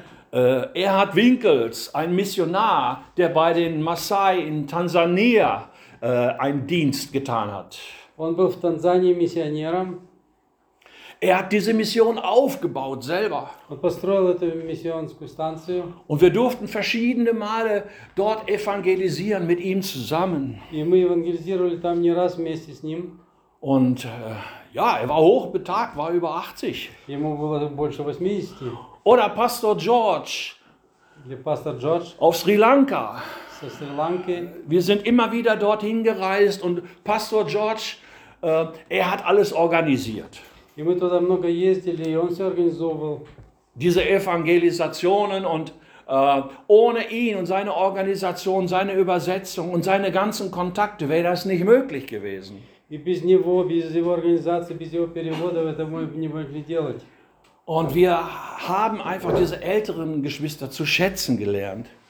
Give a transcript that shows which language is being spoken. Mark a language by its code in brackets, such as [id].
[de] Erhard Winkels, ein Missionar, der bei den Maasai in Tansania einen Dienst getan hat. [ru] Он был в Танзании миссионером. [de] Er hat diese Mission aufgebaut selber. [ru] Он построил эту миссионскую станцию. [de] Und wir durften verschiedene Male dort evangelisieren mit ihm zusammen. [ru] И мы евангелизировали там не раз вместе с ним. [de] Und ja, er war hochbetagt, war über 80. [ru] Ему было больше 80. [de] Oder Pastor George. Der Pastor George. Auf Sri Lanka. So Sri Lanka. Wir sind immer wieder dorthin gereist und Pastor George, er hat alles organisiert. [ru] И мы туда много ездили, и он все организовывал. [de] Diese Evangelisationen und ohne ihn und seine Organisation, seine Übersetzung und seine ganzen Kontakte wäre das nicht möglich gewesen. [ru] И без него, без его организации, без его переводов это мы бы не могли делать. [de] Und wir haben einfach diese älteren Geschwister zu schätzen gelernt.